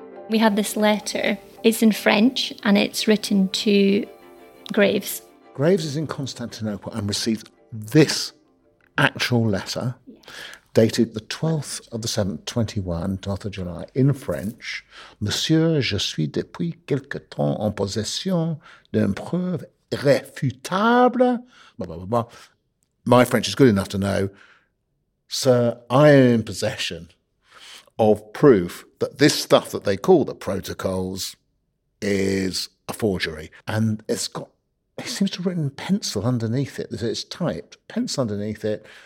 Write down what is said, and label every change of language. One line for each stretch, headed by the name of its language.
English: We have this letter. It's in French and it's written to Graves. Graves is in Constantinople and receives this actual letter, dated the 12th of the 7th, 21, 12th of July, in French.
French: Monsieur, je suis depuis quelque temps en possession d'une preuve irréfutable.
English: Blah, blah, blah, blah. My French is good enough to know, sir, I am in possession of proof that this stuff that they call the protocols is a forgery. And it's got, it seems to have written pencil underneath it. It's typed pencil underneath it.